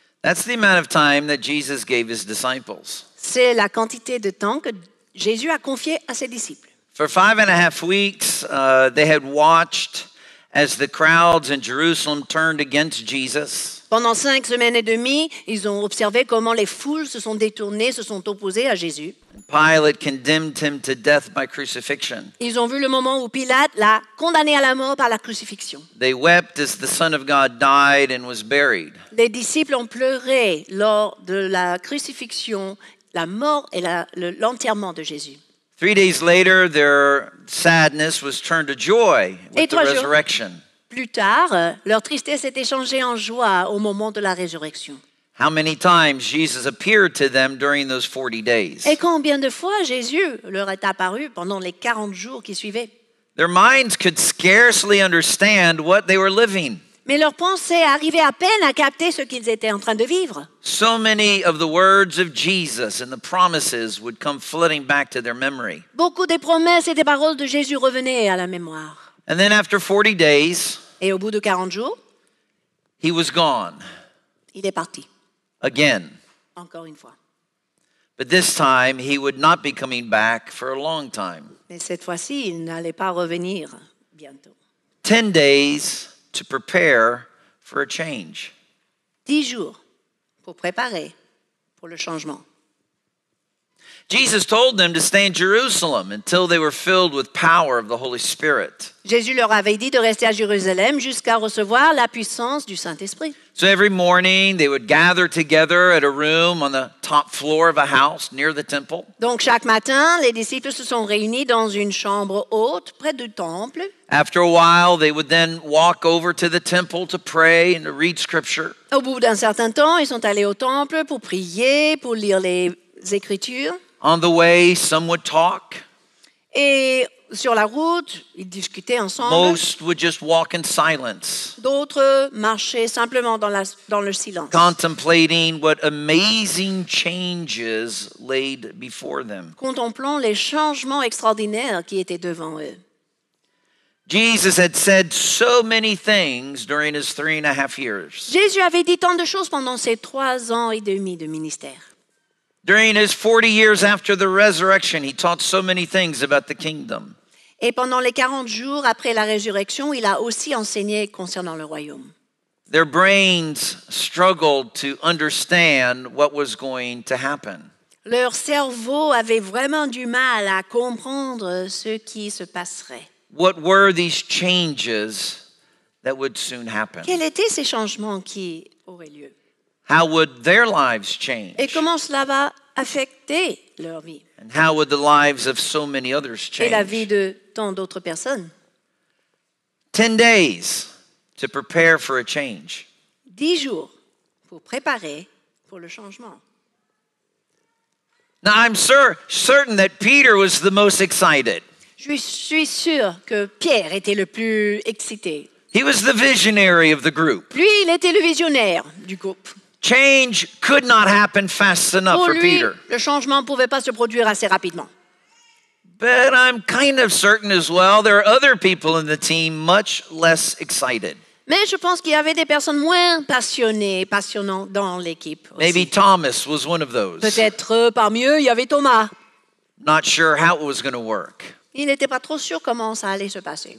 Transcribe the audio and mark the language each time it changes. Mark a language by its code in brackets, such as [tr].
[en] That's the amount of time that Jesus gave his disciples. [fr] C'est la quantité de temps que Jésus a confié à ses disciples. [en] For 5.5 weeks, they had watched as the crowds in Jerusalem turned against Jesus. [fr] Pendant 5 semaines et demie, ils ont observé comment les foules se sont détournées, se sont opposées à Jésus. [en] Pilate condemned him to death by crucifixion. [fr] Ils ont vu le moment où Pilate l'a condamné à la mort par la crucifixion. [en] They wept as the Son of God died and was buried. [fr] Les disciples ont pleuré lors de la crucifixion, la mort et l'enterrement de Jésus. [en] 3 days later, their sadness was turned to joy with the resurrection. [fr] Plus tard, leur tristesse était changée en joie au moment de la résurrection. [en] How many times Jesus appeared to them during those 40 days? [fr] Et combien de fois Jésus leur est apparu pendant les 40 jours qui suivaient? [en] Their minds could scarcely understand what they were living. [fr] Mais leurs pensées arrivaient à peine à capter ce qu'ils étaient en train de vivre. [en] So many of the words of Jesus and the promises would come flooding back to their memory. [fr] Beaucoup des promesses et des paroles de Jésus revenaient à la mémoire. [en] And then after 40 days, [fr] et au bout de 40 jours, [en] he was gone. [fr] Il est parti. [en] Again. [fr] Encore une fois. [en] But this time, he would not be coming back for a long time. [fr] Mais cette fois-ci, il n'allait pas revenir bientôt. [en] 10 days to prepare for a change. [fr] 10 jours pour préparer pour le changement. [en] Jesus told them to stay in Jerusalem until they were filled with power of the Holy Spirit. [fr] Jésus leur avait dit de rester à Jérusalem jusqu'à recevoir la puissance du Saint-Esprit. [en] So every morning they would gather together at a room on the top floor of a house near the temple. [fr] Donc chaque matin, les disciples se sont réunis dans une chambre haute près du temple. [en] After a while, they would then walk over to the temple to pray and to read scripture. [fr] Au bout d'un certain temps, ils sont allés au temple pour prier, pour lire les écritures. [en] On the way, some would talk. [fr] Et sur la route, ils discutaient ensemble. [en] Most would just walk in silence. [fr] D'autres marchaient simplement dans le silence. [en] Contemplating what amazing changes laid before them. [fr] Contemplant les changements extraordinaires qui étaient devant eux. [en] Jesus had said so many things during his 3.5 years. [fr] Jésus avait dit tant de choses pendant ses 3 ans et demi de ministère. [en] During his 40 years after the resurrection, he taught so many things about the kingdom. [fr] Et pendant les 40 jours après la résurrection, il a aussi enseigné concernant le royaume. [en] Their brains struggled to understand what was going to happen. [fr] Leur cerveau avait vraiment du mal à comprendre ce qui se passerait. [en] What were these changes that would soon happen? [fr] Quels étaient ces changements qui auraient lieu? [en] How would their lives change? [fr] Et comment cela va affecter leur vie? [en] And how would the lives of so many others change? [fr] Et la vie de tant d'autres personnes? [en] 10 days to prepare for a change. [fr] 10 jours pour préparer pour le changement. [en] Now I'm certain that Peter was the most excited. [fr] Je suis sûr que Pierre était le plus excité. [en] He was the visionary of the group. [fr] Lui, il était le visionnaire du groupe. [en] Change could not happen fast enough [fr] pour lui, [en] for Peter. [fr] Le changement ne pouvait pas se produire assez rapidement. [en] But I'm kind of certain as well there are other people in the team much less excited. [fr] Mais je pense qu'il y avait des personnes moins passionnées, passionnantes dans l'équipe aussi. [en] Maybe Thomas was one of those. [fr] Peut-être parmi eux, il y avait Thomas. [en] Not sure how it was going to work. [fr] Il n'était pas trop sûr comment ça allait se passer.